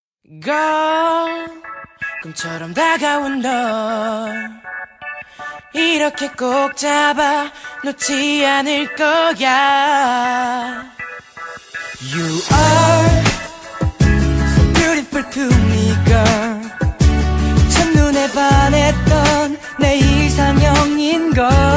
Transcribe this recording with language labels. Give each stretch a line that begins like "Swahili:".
Korean: Girl, 꿈처럼 다가온 널 이렇게 꼭 잡아 놓지 않을 거야.
English: You are so beautiful to me, girl.
Korean: 첫눈에 반했던 내 이상형인 걸.